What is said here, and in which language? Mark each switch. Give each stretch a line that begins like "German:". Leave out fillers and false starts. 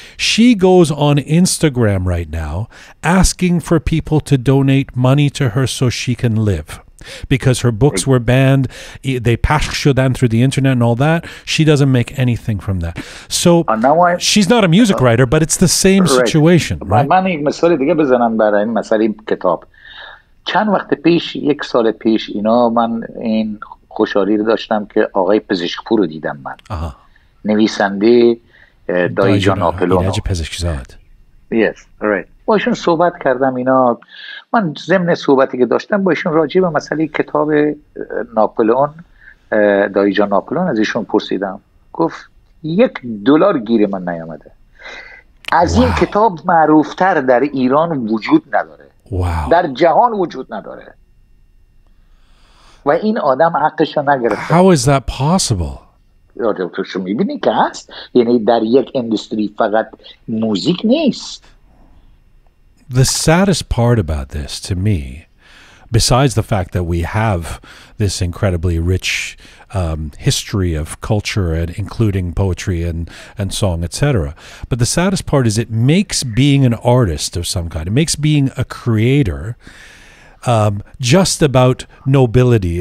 English: She goes on Instagram right now asking for people to donate money to her so she can live. Because her books were banned, they passed Shodan through the internet and all that. She doesn't make anything from that. So she's not a music writer, but it's the same situation.
Persian: من یک مثال دیگه بزنم برای این مثال کتاب. چند وقت پیش، یک سال پیش، اینا من این خوشحالی رو داشتم که آقای پزشکپور رو دیدم من. نویسنده دایی جان آپلون. ایرج پزشکزاد.
English: Yes, right.
Persian: باشون صحبت کردم اینا. من ضمن صحبتی که داشتم باشون راجع به مسئله کتاب ناپلئون، دایی جان ناپلئون، از ایشون پرسیدم. گفت یک دلار گیر من نیامده. از این کتاب معروفتر در ایران وجود نداره. در جهان وجود نداره. و این آدم حقشو نگرفت.
English: How is that possible?
Persian: تو شو میبینی که هست، یعنی در یک اندستری فقط موزیک نیست.
English: The saddest part about this to me, besides the fact that we have this incredibly rich history of culture, and including poetry and song, etc., but the saddest part is it makes being an artist of some kind, it makes being a creator just about nobility.